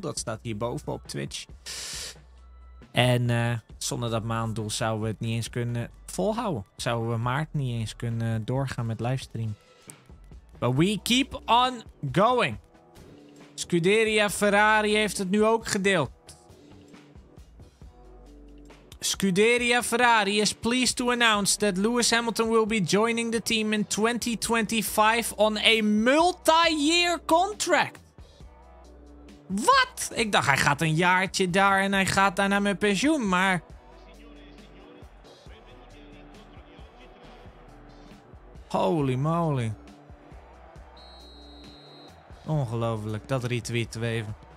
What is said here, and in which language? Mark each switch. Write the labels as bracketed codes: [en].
[nl] Dat staat hierboven op Twitch. En zonder dat maanddoel zouden we het niet eens kunnen volhouden. Zouden we maart niet eens kunnen doorgaan met livestream. [en] But we keep on going. [nl] Scuderia Ferrari heeft het nu ook gedeeld. [en] Scuderia Ferrari is pleased to announce that Lewis Hamilton will be joining the team in 2025 on a multi-year contract. [nl] Wat? Ik dacht hij gaat een jaartje daar en hij gaat daarna met pensioen, maar... [en] Holy moly. [nl] Ongelooflijk, dat retweeten we even.